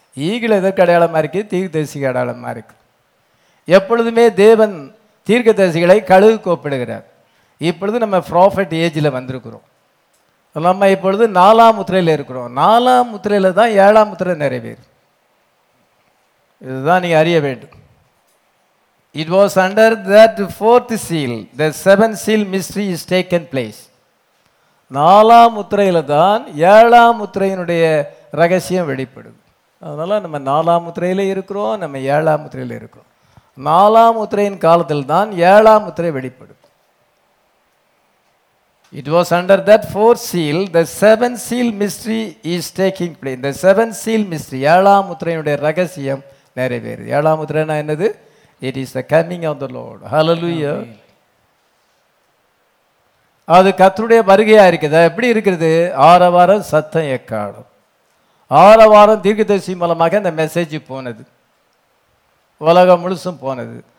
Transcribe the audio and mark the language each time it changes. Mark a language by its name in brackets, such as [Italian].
[Tamil] Eagle எதற்கு அடையாளமாக இருக்குது? தீர்க்கதரிசிக்கு அடையாளமாக இருக்குது. எப்பொழுதுமே தேவன் தீர்க்கதரிசிகளை கழுவு கூப்பிடுகிறார். இப்பொழுது நம்ம ப்ராஃபெட் ஏஜில் வந்திருக்கிறோம். நம்ம இப்பொழுது நாலாம் முத்திரையில் இருக்கிறோம். நாலாம் முத்திரையில் தான் ஏழாம் முத்திரை நிறைவேறும். இதுதான் நீங்கள் அறிய வேண்டும். [English] It was under that fourth seal, the seventh seal mystery is taken place. [Tamil] நாலாம் முத்திரையில் தான் ஏழாம் முத்திரையினுடைய ரகசியம் வெளிப்படுது. அதனால் நம்ம நாலாம் முத்திரையில் இருக்கிறோம், நம்ம ஏழாம் முத்திரையில் இருக்கிறோம். நாலாம் முத்திரையின் காலத்தில் தான் ஏழாம் முத்திரை வெளிப்படுது. [English] It was under that fourth seal, the seventh seal mystery is taking place. The seventh seal mystery, [Tamil] ஏழாம் முத்திரையினுடைய ரகசியம் நிறைவேறு. ஏழாம் முத்திரைனா என்னது? [English] It is the coming of the Lord. Hallelujah. [Tamil] அது கர்த்தருடைய வருகையா இருக்குது. எப்படி இருக்கிறது? ஆற வாரம் சத்தம் எக்காடும். ஆற வாரம் தீர்க்கதரிசி மூலமாக இந்த மெசேஜ் போனது, உலகம் முழுசும் போனது.